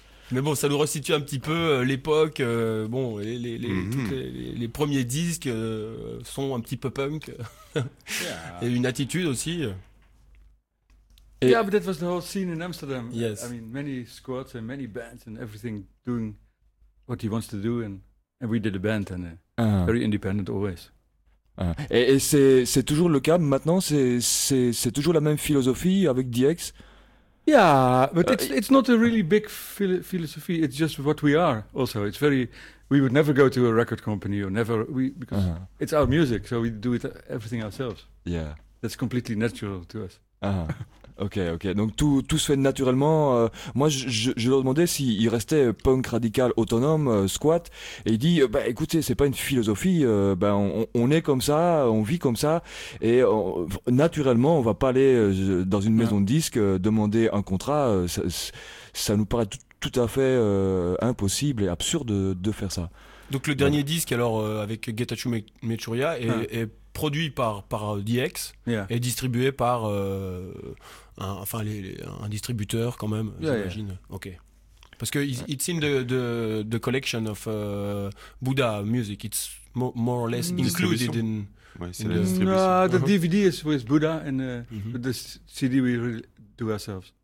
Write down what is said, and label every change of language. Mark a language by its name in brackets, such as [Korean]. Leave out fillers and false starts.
[French] Mais bon, ça nous resitue un petit peu l'époque. Bon, les premiers disques sont un petit peu punk. Yeah. Et une attitude aussi. [English] Yeah, but that was the whole scene in Amsterdam. Yes. I mean, many squads and many bands and everything doing what he wants to do. And we did a band and very independent always. Et c'est toujours le cas maintenant, c'est toujours la même philosophie avec DX. Yeah, but it's not a really big philosophy. It's just what we are also. It's very, we would never go to a record company or never, because it's our music. So we do it everything ourselves. Yeah. That's completely natural to us. Ok. [French] Donc tout se fait naturellement. Moi, je leur demandais s'il restait punk radical autonome, squat. Et il dit, écoutez, c'est pas une philosophie. On est comme ça, on vit comme ça. Et naturellement, on va pas aller dans une maison de disques demander un contrat. Ça nous paraît tout à fait impossible et absurde de faire ça. Donc le dernier disque, alors, avec Getachu Machuria est produit par DX et distribué par un distributeur quand même, j'imagine. Ok. Parce que [English] it's in the collection of Buddha Music. It's more or less included in. [French] Ouais, c'est in la [English] The DVD is with Buddha and the CD we really do ourselves.